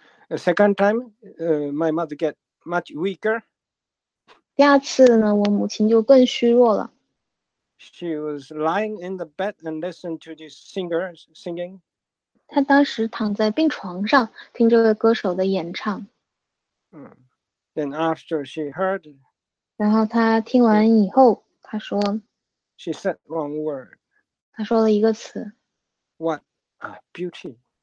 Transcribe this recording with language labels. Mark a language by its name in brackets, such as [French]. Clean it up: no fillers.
[English] The second time, my mother get much weaker. [Chinese] 第二次呢，我母亲就更虚弱了。 [English] She was lying in the bed and listened to this singer singing. [Chinese] 她当时躺在病床上听这位歌手的演唱。 [English] Then after she heard, [Chinese] 然后她听完以后，她说 [English] ，She said one word. [Chinese] 她说了一个词 [English] ，What a beauty.